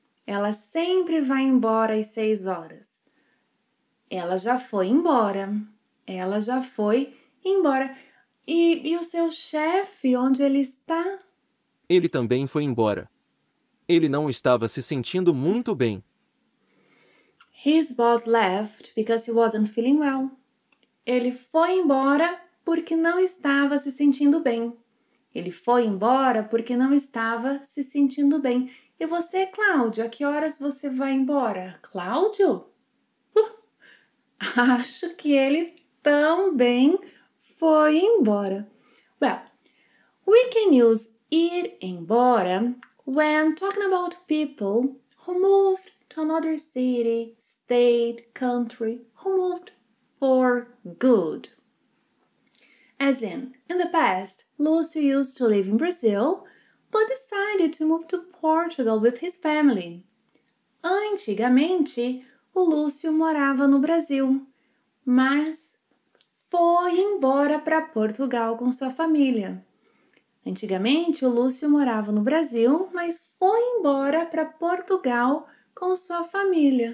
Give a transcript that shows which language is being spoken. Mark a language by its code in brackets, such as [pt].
[pt] Ela sempre vai embora às 6 horas. Ela já foi embora. Ela já foi embora. E o seu chefe, onde ele está? Ele também foi embora. Ele não estava se sentindo muito bem. [en] His boss left because he wasn't feeling well. [pt] Ele foi embora porque não estava se sentindo bem. Ele foi embora porque não estava se sentindo bem. E você, Cláudio, a que horas você vai embora? Cláudio? Acho que ele também foi embora. [en] Well, we can use ir embora when talking about people who moved to another city, state, country, who moved for good. As in the past, Lúcio used to live in Brazil, but decided to move to Portugal with his family. [pt] Antigamente, o Lúcio morava no Brasil, mas foi embora para Portugal com sua família. Antigamente, o Lúcio morava no Brasil, mas foi embora para Portugal com sua família.